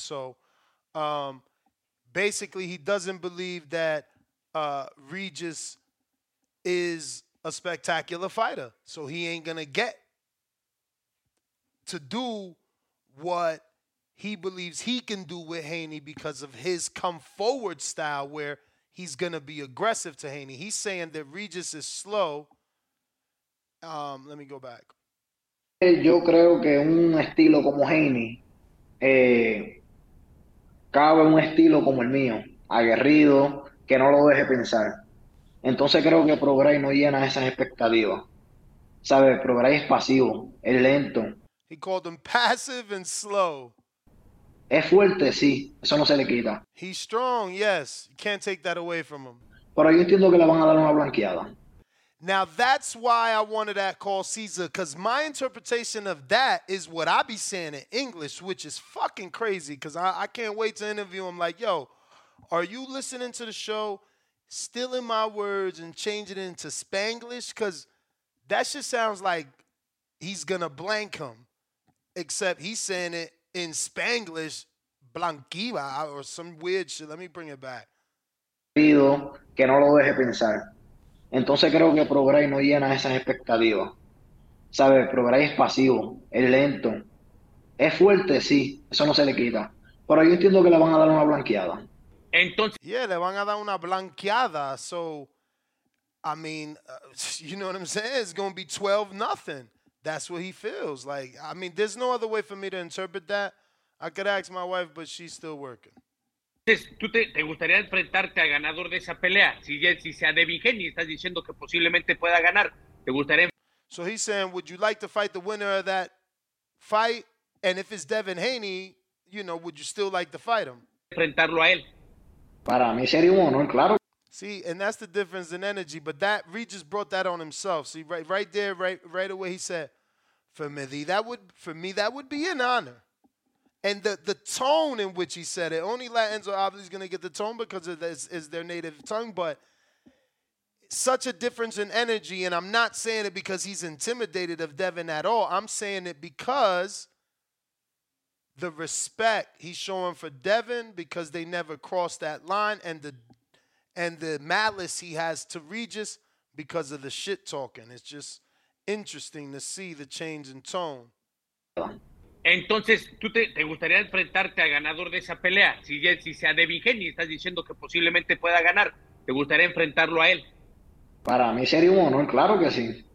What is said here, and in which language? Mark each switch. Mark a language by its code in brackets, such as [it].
[en] So basically, he doesn't believe that Regis is a spectacular fighter. So he ain't going to get to do what he believes he can do with Haney because of his come forward style where he's going to be aggressive to Haney. He's saying that Regis is slow. Let me go back. [es] Yo creo que un estilo como Haney cabe un estilo como el mío, aguerrido, que no lo deje pensar. Entonces creo que Prograis no llena esas expectativas. ¿Sabes? Prograis es pasivo, es lento. [en] He called them passive and slow. [es] Es fuerte, sí. Eso no se le quita. [en] He's strong, yes. You can't take that away from him. [es] Pero yo entiendo que le van a dar una blanqueada. [en] Now, that's why I wanted that call, Caesar, because my interpretation of that is what I be saying in English, which is fucking crazy, because I can't wait to interview him. Like, yo, are you listening to the show, stealing my words and changing it into Spanglish? Because that just sounds like he's going to blank him, except he's saying it in Spanglish, blanquiva, or some weird shit. Let me bring it back. [es] Pido que no lo deje pensar. Entonces creo que Prograis no llena esas expectativas. ¿Sabes? Prograis es pasivo, es lento. Es fuerte, sí. Eso no se le quita. Pero yo entiendo que le van a dar una blanqueada. Entonces. Yeah, le van a dar una blanqueada. [en] So, I mean, you know what I'm saying? It's going to be 12-0. That's what he feels. Like, I mean, there's no other way for me to interpret that. I could ask my wife, but she's still working. [es] ¿Tú te gustaría enfrentarte al ganador de esa pelea? Si sea Devin Haney, estás diciendo que posiblemente pueda ganar. ¿Te gustaría? [en] So he's saying, would you like to fight the winner of that fight? And if it's Devin Haney, you know, would you still like to fight him? [es] ¿Enfrentarlo a él? Para mí sería un honor, claro. [en] See, and that's the difference in energy. But that Regis brought that on himself. See, right there, right away, he said, "For me, that would be an honor." And the tone in which he said it, only Latins are obviously going to get the tone because of this is their native tongue. But such a difference in energy, and I'm not saying it because he's intimidated of Devin at all. I'm saying it because the respect he's showing for Devin because they never crossed that line, and the malice he has to Regis because of the shit talking. It's just interesting to see the change in tone. [es] Entonces, ¿tú te gustaría enfrentarte al ganador de esa pelea? Si sea Devin Haney, estás diciendo que posiblemente pueda ganar. ¿Te gustaría enfrentarlo a él? Para mí sería un honor, claro que sí.